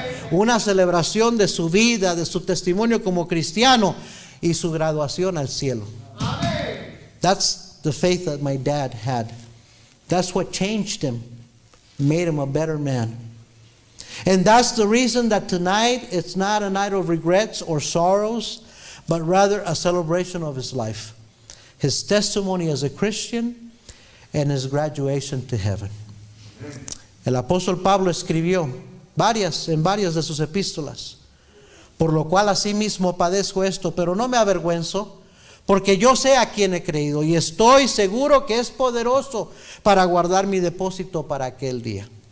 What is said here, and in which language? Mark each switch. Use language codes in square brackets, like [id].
[es] Una celebración de su vida, de su testimonio como cristiano y su graduación al cielo. [en] That's the faith that my dad had. That's what changed him, made him a better man. And that's the reason that tonight it's not a night of regrets or sorrows, but rather a celebration of his life, his testimony as a Christian, and his graduation to heaven. [es] El apóstol Pablo escribió en varias de sus epístolas, por lo cual asimismo padezco esto, pero no me avergüenzo, porque yo sé a quién he creído y estoy seguro que es poderoso para guardar mi depósito para aquel día.